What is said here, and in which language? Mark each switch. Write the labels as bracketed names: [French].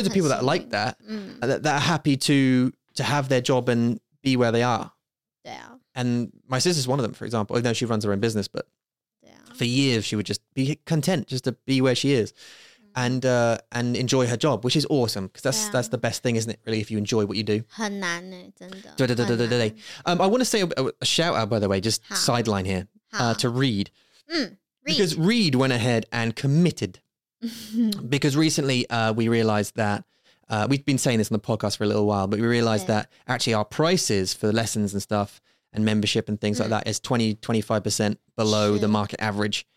[English] a loads of people that like that, that are happy to have their job and be where they are. [Chinese] 对啊。 [English] And my sister's one of them, for example. Oh, no, she runs her own business, but for years she would just be content just to be where she is and enjoy her job, which is awesome because that's the best thing, isn't it, really, if you enjoy what you do. [Chinese] 很难耶,真的。对对对对对对。 [English] I want to say a shout out, by the way, just sideline here, to Reed. Reed. Because Reed went ahead and committed because recently we realized that we've been saying this on the podcast for a little while, but we realized that actually our prices for the lessons and stuff and membership and things like that is 20-25% below the market average.